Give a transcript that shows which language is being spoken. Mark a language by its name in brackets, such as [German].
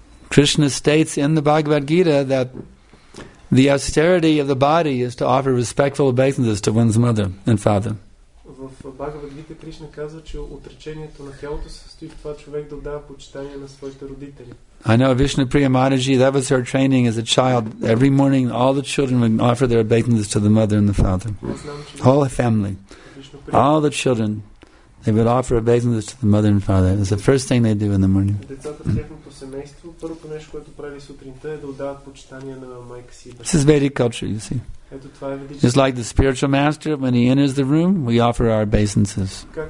[English] Krishna states in the Bhagavad Gita that the austerity of the body is to offer respectful obeisances to one's mother and father. [Bulgarian] В Бхагавад Гита Кришна казва, че отречението на тялото се състои в това човек да отдава почитание на своите родители. [English] I know Vishnu Priya Mataji, that was her training as a child. Every morning all the children would offer their obeisances to the mother and the father. All the family. All the children, they would offer obeisances to the mother and father. It's the first thing they do in the morning. [Bulgarian] Децата в семейство, първото нещо, което прави сутринта, е да отдават почитание на майка си. [English] This is Vedic culture, you see. It's like the spiritual master, when he enters the room, we offer our obeisances.